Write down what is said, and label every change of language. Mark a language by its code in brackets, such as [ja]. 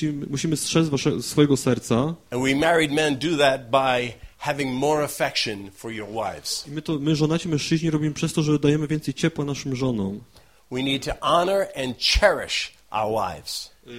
[pl] Musimy strzec swojego serca. [en] And we married men do that by having more affection for your wives. [pl] My żonaci mężczyźni robimy przez to, że dajemy więcej ciepła naszym żonom. [en] We need to honor and cherish our wives.